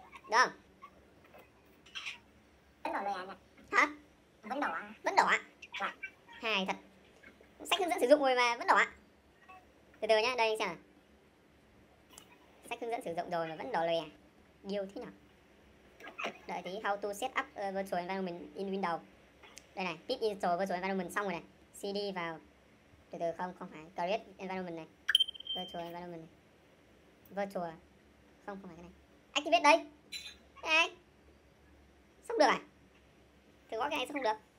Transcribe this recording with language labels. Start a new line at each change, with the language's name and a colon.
Vietnamese: Được không? Hả? Vẫn đỏ ạ. Hài thật. Sách hướng dẫn sử dụng rồi mà vẫn đỏ ạ. Từ từ nhá, đây anh xem nào. Sách hướng dẫn sử dụng rồi mà vẫn đỏ lè. Điều thế nào? Đợi tí,
English: how to set up virtual environment in Windows.
Vietnamese: Đây này, pip install virtual environment xong rồi này. CD vào. Từ từ, không, không phải. Create environment này. Virtual environment này. Virtual. Không, không phải cái này. Activate đây. Đây. Xong được à? Thử gõ cái này sao không được?